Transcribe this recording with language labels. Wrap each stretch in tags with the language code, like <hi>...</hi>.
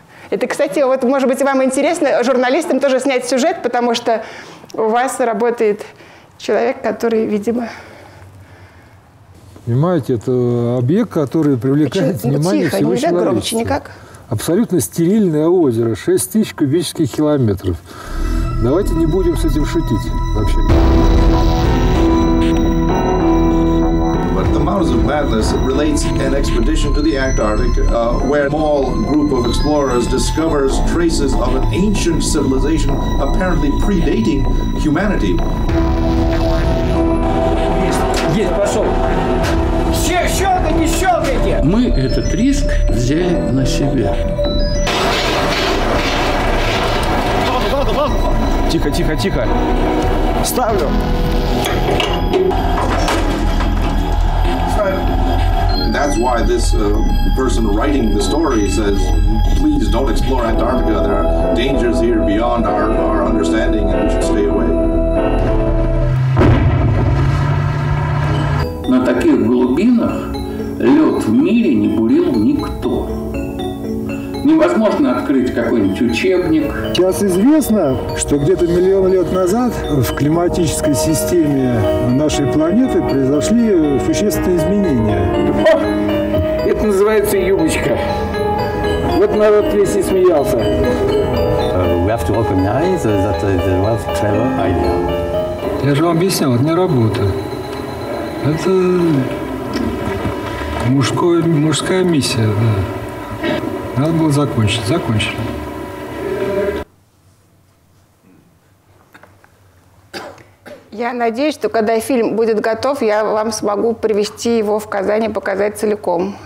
<ru>Это, кстати, вот, может быть, вам интересно журналистам тоже снять сюжет, потому что у вас работает человек, который, видимо... Понимаете, это объект, который привлекает очень внимание тихо, всего человечества. Тихо, громче никак. Абсолютно стерильное озеро, 6 тысяч кубических километров. Давайте не будем с этим шутить вообще.</ru> <en>The Mouths of Madness relates an expedition to the Antarctic, where a small group of explorers discovers traces of an ancient civilization apparently predating humanity.</en> <ru>Мы этот риск взяли на себя. Тихо, тихо, тихо. Ставлю.</ru> <en>That's why this person writing the story says, please don't explore Antarctica. There are dangers here beyond our understanding and we should stay away.</en> <ru>На таких глубинах лед в мире не бурил никто. Невозможно открыть какой-нибудь учебник. Сейчас известно, что где-то миллион лет назад в климатической системе нашей планеты произошли существенные изменения. О, это называется юбочка. Вот народ весь и смеялся.</ru> <en>We have to recognize that there was clever idea.</en> <ru>Я же вам объяснял, это не работа. Это мужская миссия, да. Надо было закончить. Закончили. Я надеюсь, что когда фильм будет готов, я вам смогу привести его в Казань и показать целиком.</ru>